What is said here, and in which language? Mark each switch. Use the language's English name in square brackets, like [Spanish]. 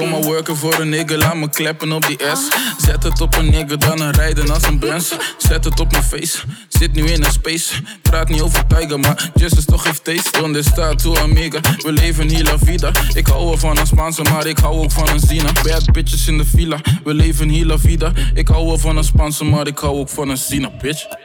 [Dutch] Kom maar werken voor een nigga, laat me kleppen op die S. Zet het op een nigga, dan een rijden als een Benz. Zet het op mijn face, zit nu in een space. Praat niet over Tiger, maar Jesus toch heeft taste. [Spanish] Donde está tu amiga, [Dutch] we leven hier [Spanish] la vida. [Dutch] Ik hou wel van een Spaanse, maar ik hou ook van een Zina. [English] Bad bitches [Dutch] in de villa, we leven hier [Spanish] la vida. [Dutch] Ik hou wel van een Spaanse, maar ik hou ook van een Zina, bitch.